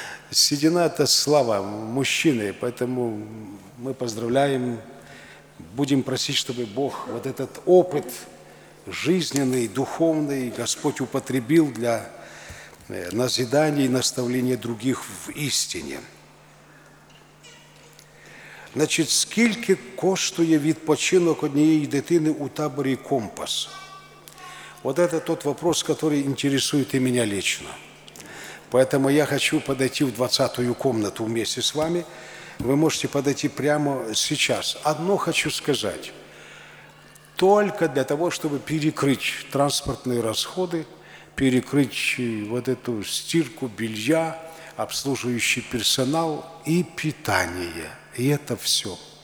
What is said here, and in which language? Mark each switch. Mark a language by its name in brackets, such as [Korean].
[Russian] Седина – это слава мужчины, поэтому мы поздравляем, будем просить, чтобы Бог вот этот опыт жизненный, духовный, Господь употребил для назидания и наставления других в истине. [Ukrainian] Значит, скільки коштує відпочинок однієї дитини у таборі «Компас»? [Russian] Вот это тот вопрос, который интересует и меня лично. Поэтому я хочу подойти в 20-ю комнату вместе с вами. Вы можете подойти прямо сейчас. Одно хочу сказать. Только для того, чтобы перекрыть транспортные расходы, перекрыть вот эту стирку белья, обслуживающий персонал и питание. И это все.